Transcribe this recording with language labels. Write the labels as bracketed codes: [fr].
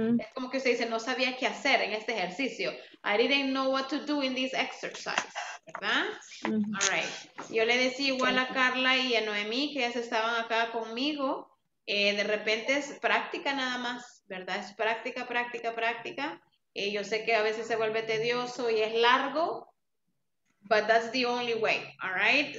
[es] Uh-huh. Es como que usted dice, no sabía qué hacer en este ejercicio. [en] I didn't know what to do in this exercise. ¿Verdad? Uh-huh. All right. [es] Yo le decía igual a Carla y a Noemí, que ellas estaban acá conmigo. De repente es práctica nada más, ¿verdad? Es práctica, práctica, práctica. Yo sé que a veces se vuelve tedioso y es largo. [en] But that's the only way, all right?